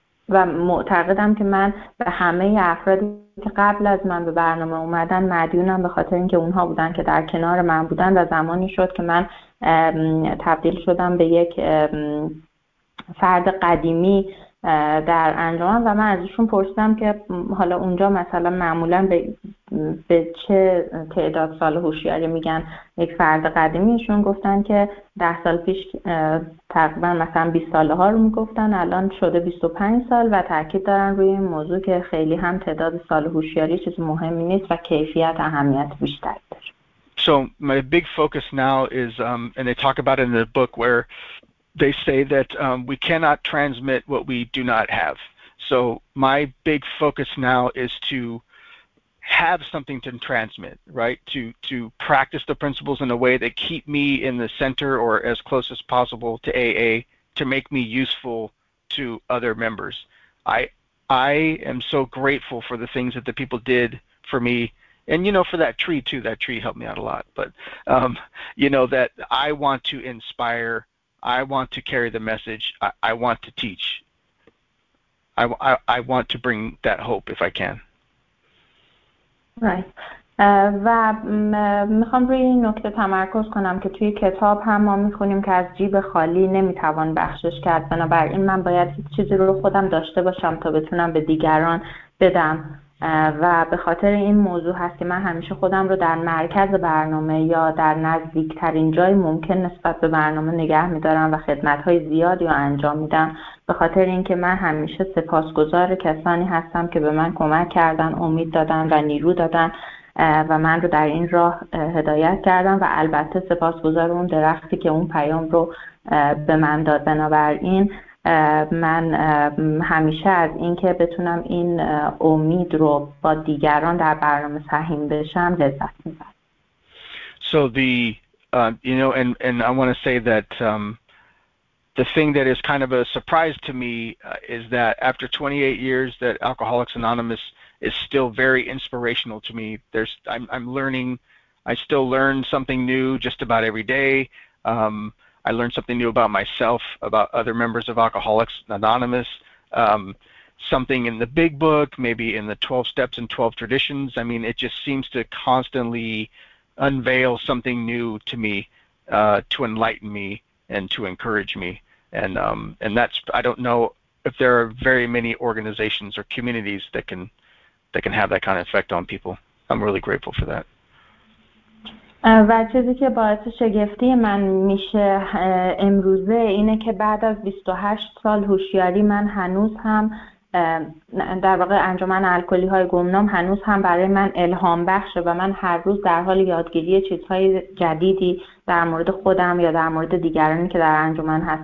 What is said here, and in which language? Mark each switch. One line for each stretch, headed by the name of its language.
Persian: و معتقدم که من به همه افرادی که قبل از من به برنامه اومدن مدیونم، به خاطر اینکه اونها بودن که در کنار من بودن و زمانی شد که من تبدیل شدم به یک فرد قدیمی در انجمن، و من ازشون پرسیدم که حالا اونجا مثلا معمولا به چه تعداد سال هوشیاری میگن یک فرد قدیمی. ایشون گفتن که 10 سال پیش تقریبا مثلا 20 ساله ها رو میگفتن، الان شده 25 سال، و تاکید دارن روی این موضوع که خیلی هم تعداد سال هوشیاری چیز مهمی نیست و کیفیت اهمیت بیشتر داره.
English: So my big focus now is, and they talk about it in the book, where they say that we cannot transmit what we do not have. So my big focus now is to have something to transmit, right? To practice the principles in a way that keep me in the center or as close as possible to AA, to make me useful to other members. I am so grateful for the things that the people did for me. And, you know, for that tree, too, that tree helped me out a lot. But, you know, that I want to inspire, I want to carry the message, I want to teach. I want to bring that hope if I can. Right.
Persian: و میخوام روی این نکته تمرکز کنم که توی کتاب هم ما میخونیم که از جیب خالی نمیتوان بخشش کرد. بنابراین من باید چیزی رو خودم داشته باشم تا بتونم به دیگران بدم. و به خاطر این موضوع هست که من همیشه خودم رو در مرکز برنامه یا در نزدیکترین جای ممکن نسبت به برنامه نگه می‌دارم و خدمت‌های زیادی رو انجام میدم، به خاطر اینکه من همیشه سپاسگزار کسانی هستم که به من کمک کردن، امید دادن و نیرو دادن و من رو در این راه هدایت کردن، و البته سپاسگزار اون درختی که اون پیام رو به من داد. بنابراین من همیشه از اینکه بتونم این امید رو با دیگران در برنامه سهیم بشم لذت میبرم.
English: So the you know, and I want to say that the thing that is kind of a surprise to me is that after 28 years that Alcoholics Anonymous is still very inspirational to me. I'm learning. I still learn something new just about every day. I learn something new about myself, about other members of Alcoholics Anonymous, something in the big book, maybe in the 12 steps and 12 traditions. I mean, it just seems to constantly unveil something new to me, to enlighten me and to encourage me. And that's, I don't know if there are very many organizations or communities that can have that kind of effect on people. I'm really grateful for that.
Persian: و چیزی که باعث شگفتی من میشه امروزه اینه که بعد از 28 سال هوشیاری من هنوز هم در واقع انجمن الکلی های گمنام هنوز هم برای من الهام بخشه و من هر روز در حال یادگیری چیزهای جدیدی در مورد خودم یا در مورد دیگرانی که در انجمن